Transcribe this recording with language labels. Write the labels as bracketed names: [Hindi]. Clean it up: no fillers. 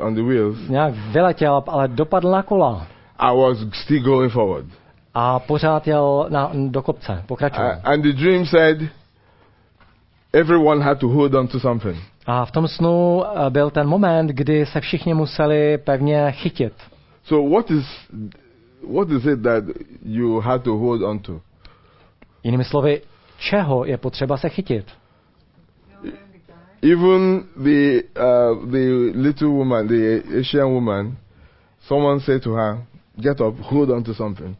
[English] On the wheels. [Czech] Nějak vyletěl, ale dopadl na kola. [English] I was still going forward. [Czech] A pořád jel do kopce, pokračoval. [English] And the dream said everyone had to hold on to something. [Czech] A v tom snu byl ten moment, kdy se všichni museli pevně chytit. [English] So what is it that you had to hold on to? [Czech] Jinými slovy, čeho je potřeba se chytit? [English] Even the little woman, the Asian woman, someone said to her, get up, hold on to something.